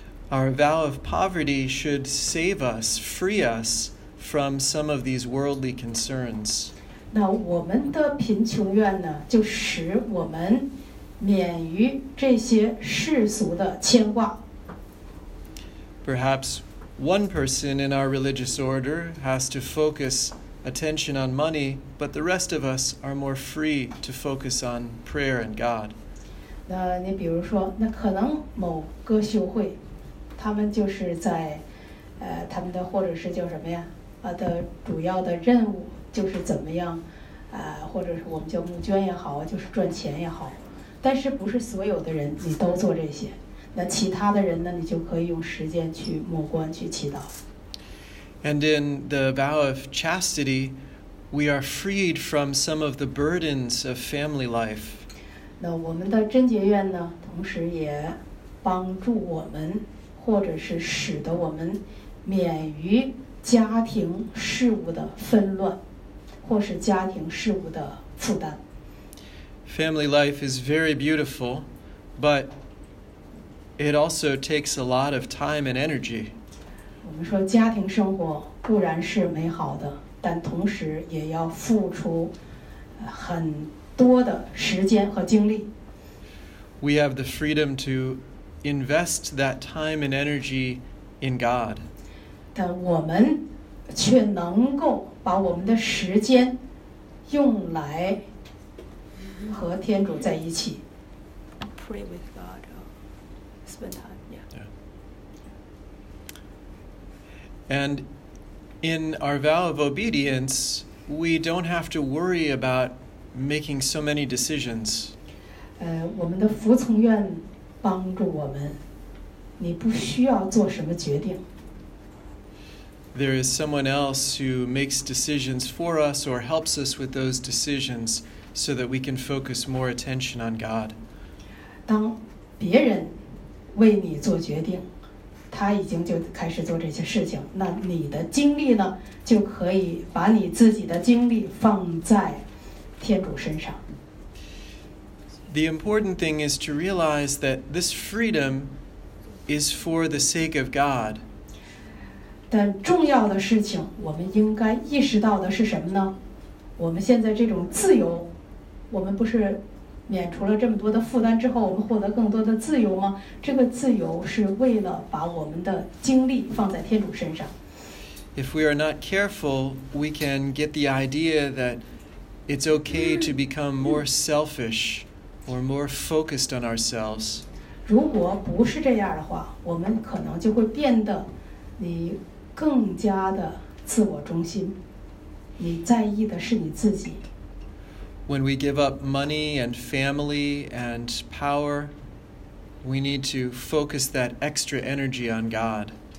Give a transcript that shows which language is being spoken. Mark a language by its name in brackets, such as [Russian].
[English] Our vow of poverty should save us, free us from some of these worldly concerns [Chinese] 那我们的贫穷愿呢就使我们免于这些世俗的牵挂 [English] Perhaps One person in our religious order has to focus attention on money, but the rest of us are more free to focus on prayer and God. [Chinese] 那你比如说，那可能某个修会，他们就是在，他们的或者是叫什么呀？的主要的任务就是怎么样，或者是我们叫募捐也好，就是赚钱也好。但是不是所有的人你都做这些，那其他的人呢，你就可以用时间去默观，去祈祷。 [English] And in the vow of chastity, we are freed from some of the burdens of family life. [Chinese] 那我们的贞洁愿呢，同时也帮助我们，或者是使得我们免于家庭事务的纷乱，或是家庭事务的负担。 [English] Family life is very beautiful, but it also takes a lot of time and energy. [Chinese] 我们说家庭生活固然是美好的，但同时也要付出很多的时间和精力。 [English] We have the freedom to invest that time and energy in God. [Chinese] 但我们却能够把我们的时间用来和天主在一起。 [English] Pray with God, spend time, And in our vow of obedience, we don't have to worry about making so many decisions. [Chinese] 我们的服从愿帮助我们，你不需要做什么决定。 [English] There is someone else who makes decisions for us or helps us with those decisions so that we can focus more attention on God. [Chinese] 当别人为你做决定，他已经就开始做这些事情，那你的精力呢，就可以把你自己的精力放在天主身上。 [English] The important thing is to realize that this freedom is for the sake of God. [Chinese] 但重要的事情我们应该意识到的是什么呢？我们现在这种自由，我们不是免除了这么多的负担之后，我们获得更多的自由吗？这个自由是为了把我们的精力放在天主身上。 [English] If we are not careful, we can get the idea that it's okay to become more selfish or more focused on ourselves. [Chinese] 如果不是这样的话，我们可能就会变得你更加的自我中心，你在意的是你自己。 [English] When we give up money and family and power, we need to focus that extra energy on God.